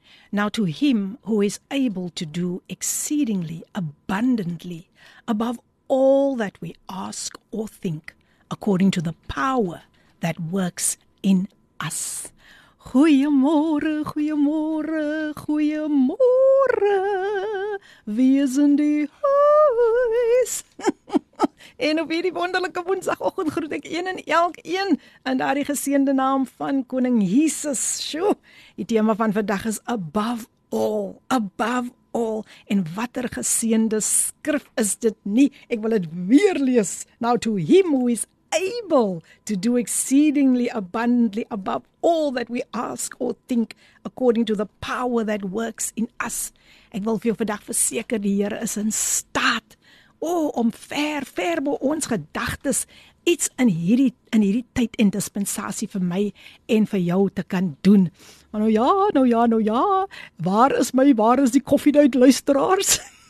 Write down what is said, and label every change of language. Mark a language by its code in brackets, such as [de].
[en] Now to him who is able to do exceedingly abundantly above all that we ask or think, according to the power that works in us. [af] Goeiemôre, goeiemôre, goeiemôre. Wees in die huis. En op hierdie wonderlike woensdagoggend groet ek een en elk een in daardie geseënde naam van Koning Jesus. Sjoe, die tema van vandag is [en] above all, above all. [af] En watter geseënde skrif is dit nie? Ek wil dit weer lees. [en] Now to him who is able to do exceedingly abundantly above all that we ask or think, according to the power that works in us. [af] Ek wil vir jou vandag verseker, die Here is in staat om ver bo ons gedagtes iets in hierdie tyd en dispensasie vir my en vir jou te kan doen. Maar nou ja, waar is die koffiedייט luisteraars?